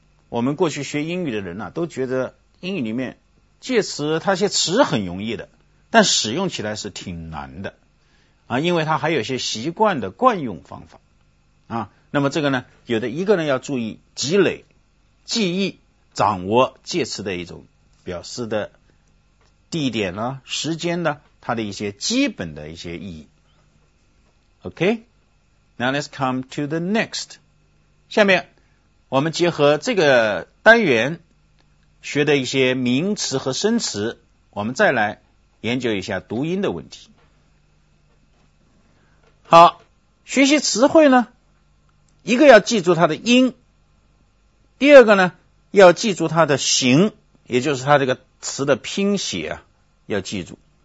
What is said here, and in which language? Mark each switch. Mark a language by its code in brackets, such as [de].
[zh] 我们过去学英语的人呢，都觉得英语里面介词它些词很容易的，但使用起来是挺难的，啊，因为它还有些习惯的惯用方法，啊，那么这个呢，有的一个呢要注意积累、记忆、掌握介词的一种表示的地点啦、时间啦，它的一些基本的一些意义。 [en] Okay, now let's come to the next. [zh] 下面我们结合这个单元学的一些名词和生词，我们再来研究一下读音的问题。好，学习词汇呢，一个要记住它的音，第二个呢，要记住它的形，也就是它这个词的拼写啊，要记住。